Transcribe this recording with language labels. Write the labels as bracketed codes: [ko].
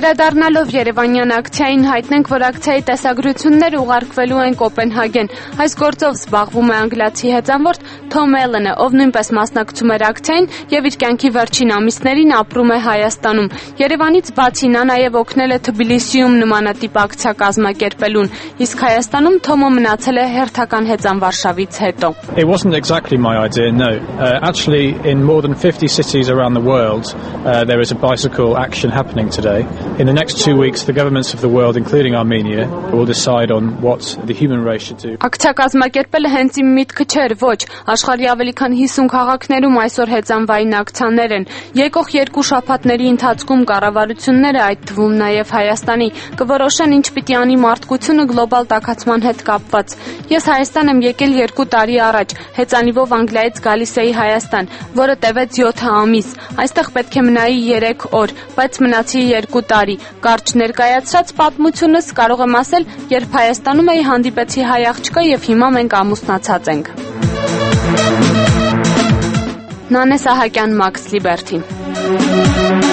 [hy] Վերադառնալով Երևանյան ակցիային, հայտնենք, որ ակցիայի տեսագրություններ ուղարկվելու են Կոպենհագեն։ Այս գործով զբաղվում է անգլացի հեծանվորդ Թոմ Էլենը, ով նույնպես մասնակցում էր ակցիային եւ իր կյանքի վերջին ամիսներին ապրում է Հայաստանում։ Երևանից բացի նա նաեւ օգնել է Թբիլիսիում նմանատիպ ակցիա կազմակերպելուն, իսկ Հայաստանում Թոմը մնացել է հերթական հեծան Վարշավից հետո։ [en] It wasn't exactly my idea, no. Actually in more than 50 cities around the world, there is a bicycle action happening today. In the next 2 weeks the governments of the world including Armenia will decide on what the human race should do. [hy] Ակցիա կազմակերպելը հենց իմ միտքը չէր, ոչ, աշխարհի ավելի քան 50 քաղաքներում այսօր հեծանվային ակցիաներ են։ Եկող երկու շաբաթների ընթացքում կառավարությունները, այդ թվում նաև Հայաստանի, կորոշեն ինչ պիտի անի մարդկությունը գլոբալ տաքացման հետ կապված։ Ես Հայաստան եմ եկել 2 տարի առաջ, հեծանիվով Անգլիայից գալիս էի Հայաստան, որը տևեց 7 ամիս։ Այստեղ պետք է մնայի 3 օր, բայց մնացի 2 տարի։ Կարճ ներկայացրած պատմությունս կարող եմ ասել, երբ Հայաստանում էի, հանդիպեցի հայ աղջկա և հիմա մենք ամուսնացած ենք։ Նանե Սահակյան, Մաքս Լիբերթին։